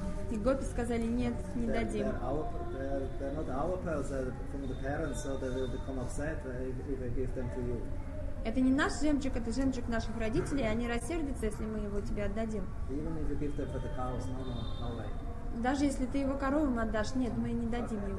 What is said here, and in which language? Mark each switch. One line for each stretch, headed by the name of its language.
Russian: И гопи сказали, нет, не дадим.
English: They're not our pearls, they're from the parents, so they will become upset if I give them to you.
Russian: Это не наш жемчуг, это жемчуг наших родителей, они рассердятся, если мы его тебе отдадим.
English: Even if you give them for the cows, no way.
Russian: Даже если ты его коровам отдашь, нет, мы не дадим его.